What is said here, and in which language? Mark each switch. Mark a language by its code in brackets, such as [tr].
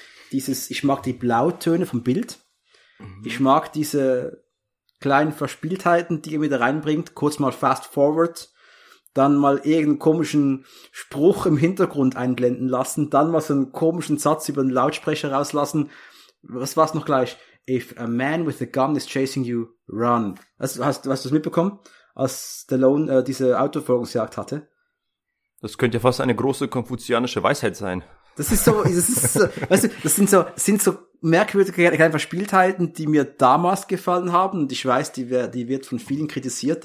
[de] Ich mag die Blautöne vom Bild. Mhm. Ich mag diese kleinen Verspieltheiten, die er wieder reinbringt. Kurz mal fast forward. Dann mal irgendeinen komischen Spruch im Hintergrund einblenden lassen. Dann mal so einen komischen Satz über den Lautsprecher rauslassen. Was war's noch gleich? [en] If a man with a gun is chasing you, run. [de] Hast du das mitbekommen? Als Stallone diese Autoverfolgungsjagd hatte. Das könnte ja fast eine große konfuzianische Weisheit sein. Das sind so merkwürdige kleine Verspieltheiten, die mir damals gefallen haben. Und ich weiß, die wird von vielen kritisiert.